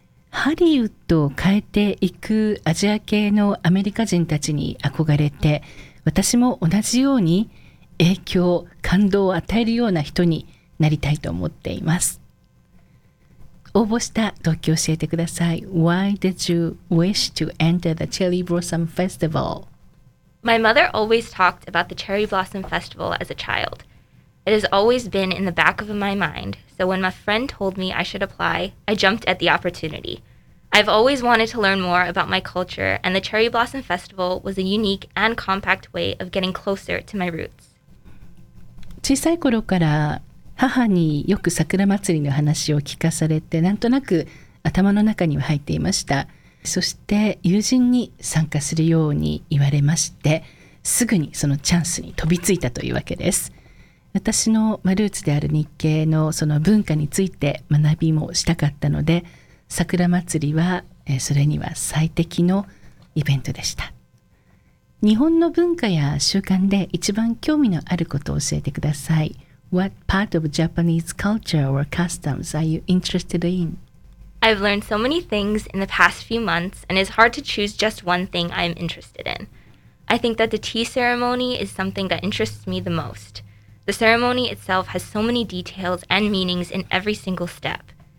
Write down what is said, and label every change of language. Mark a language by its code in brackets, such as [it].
[ja] ハリウッドを変えていくアジア系のアメリカ人たちに憧れて、私も同じように影響、感動を与えるような人になりたいと思っています。応募した動機を教えてください。 [en] Why did you wish to enter the Cherry Blossom Festival? My mother always talked about the Cherry Blossom Festival as a child. It has always been in the back of my mind. So when my friend told me I should apply, I jumped at the opportunity. I've always wanted to learn more about my culture, and the Cherry Blossom Festival was a unique and compact way of getting closer to my roots. [ja] 小さい頃から母によく桜祭りの話を聞かされて、なんとなく頭の中には入っていました。そして友人に参加するように言われまして、すぐにそのチャンスに飛びついたというわけです。私のルーツである日系のその文化について学びもしたかったので、桜祭りはそれには最適のイベントでした。日本の文化や習慣で一番興味のあることを教えてください。 [en] What part of Japanese culture or customs are you interested in? I've learned so many things in the past few months and it's hard to choose just one thing I'm interested in. I think that the tea ceremony is something that interests me the most. The ceremony itself has so many details and meanings in every single step.